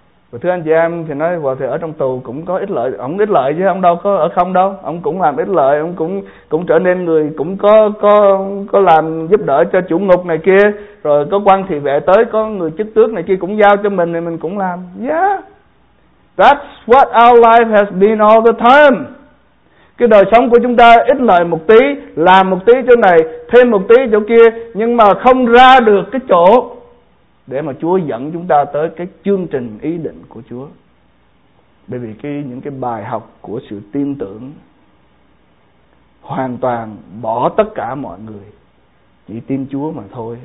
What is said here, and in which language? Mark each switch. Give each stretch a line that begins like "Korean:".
Vietnamese: Và thưa anh chị em, thì nói vào thì ở trong tù cũng có ích lợi. Ông ích lợi chứ ông đâu có ở không đâu. Ông cũng làm ích lợi, ông cũng trở nên người cũng có làm giúp đỡ cho chủ ngục này kia. Rồi có quan thị vệ tới, có người chức tước này kia cũng giao cho mình thì mình cũng làm.
English: Yeah, that's what our life has been all the time.
Vietnamese: Cái đời sống của chúng ta ít lợi một tí, làm một tí chỗ này, thêm một tí chỗ kia, nhưng mà không ra được cái chỗ để mà Chúa dẫn chúng ta tới cái chương trình ý định của Chúa. Bởi vì những cái bài học của sự tin tưởng hoàn toàn bỏ tất cả mọi người, chỉ tin Chúa mà thôi.